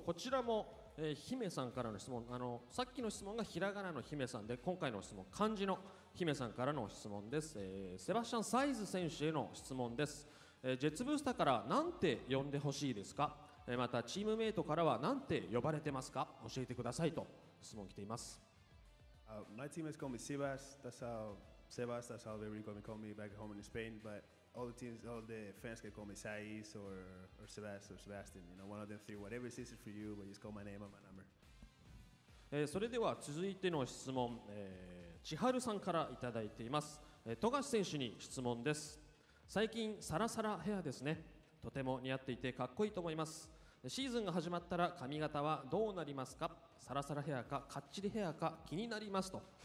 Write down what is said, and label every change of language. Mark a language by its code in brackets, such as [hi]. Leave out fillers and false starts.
[ja] こちらも、姫さんからの質問。さっきの質問がひらがなの姫さんで、今回の質問漢字の姫さんからの質問です。セバスチャン・サイズ選手への質問です。ジェッツブースターから何て呼んでほしいですか？またチームメイトからは何て呼ばれてますか？教えてくださいと質問来ています。 [en] My team is called me Sebas. That's how everybody call me back home in Spain. But all the teams, all the fans can call me Saiz or Sebas or Sebastian. You know, one of them three. Whatever it is for you, but just call my name and my number. [ja] それでは続いての質問、千春さんからいただいています。富樫選手に質問です。最近サラサラヘアですね。とても似合っていてかっこいいと思います。シーズンが始まったら髪型はどうなりますか？サラサラヘアかカッチリヘアか気になりますと。